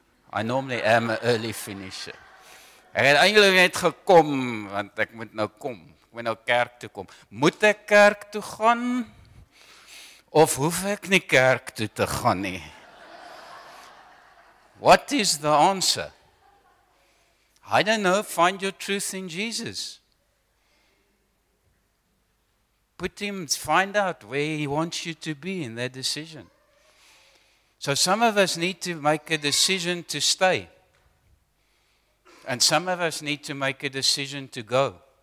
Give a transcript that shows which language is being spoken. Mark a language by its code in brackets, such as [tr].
[en] I normally am an early finisher. [af] Ek het eintlik net gekom, want ek moet nou kom. Ek moet nou kerk toe kom. Moet ek kerk toe gaan? Of hoef ek nie kerk toe te gaan nie? [en] What is the answer? I don't know, find your truth in Jesus. Put Him, find out where He wants you to be in that decision. So some of us need to make a decision to stay. And some of us need to make a decision to go.